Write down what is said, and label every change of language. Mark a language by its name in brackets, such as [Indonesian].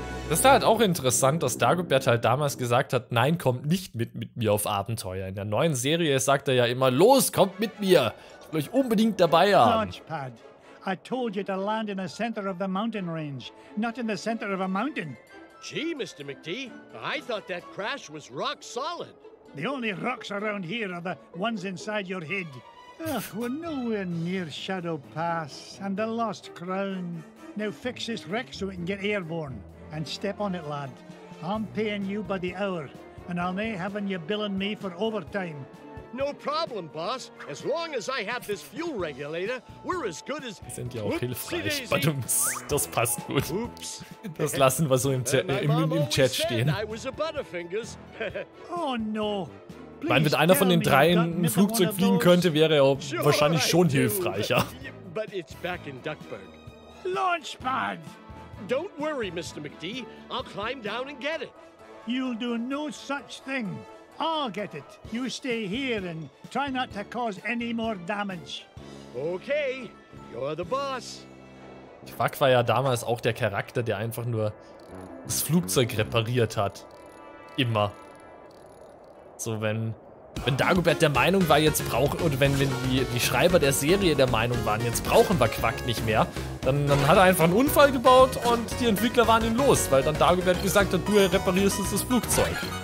[German] Das ist halt auch interessant, dass Dagobert halt damals gesagt hat, nein, kommt nicht mit mir auf Abenteuer. In der neuen Serie sagt er ja immer, los, kommt mit mir. Ich will euch unbedingt dabei haben. [English] Launchpad. I told you to land in the center of the mountain range, not in the center of a mountain. Gee, Mr. McTee, I thought that crash was rock solid. The only rocks around here are the ones inside your head. Ugh, we're nowhere near Shadow Pass and the Lost Crown. Now fix this wreck so we can get airborne. And step on it, lad. I'm paying you by the hour, and I'll may have you billing me for overtime. No problem, boss. As long as I have this fuel regulator, we're as good as... [German] Sind ja auch hilfreich, Badums. Das passt gut. Oops. Das lassen wir so im Chat stehen. [English] I was a Butterfingers. Oh, no. Please, [German] weil wenn einer von den dreien ein Flugzeug fliegen könnte, wäre er wahrscheinlich schon hilfreicher. [English] But it's back in Duckburg. Launchpad! Don't worry, Mr. McDee. I'll climb down and get it. You'll do no such thing. I'll get it. You stay here and try not to cause any more damage. Okay, you're the boss. [German] Quack war ja damals auch der Charakter, der einfach nur das Flugzeug repariert hat. Immer. So, wenn Dagobert der Meinung war, jetzt braucht, oder wenn die Schreiber der Serie der Meinung waren, jetzt brauchen wir Quack nicht mehr, dann hat er einfach einen Unfall gebaut und die Entwickler waren ihn los, weil dann Dagobert gesagt hat, du reparierst jetzt das Flugzeug.